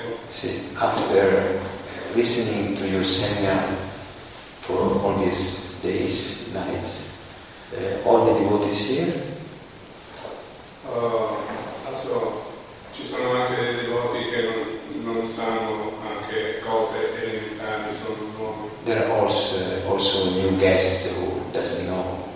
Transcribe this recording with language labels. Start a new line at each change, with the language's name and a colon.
English: listening to your Sangha for all these days, nights, all the devotees here?
Italian: Also, ci sono anche dei devoti che non sanno anche cose elementari, sono nuovi.
English: There are also new guests who doesn't know.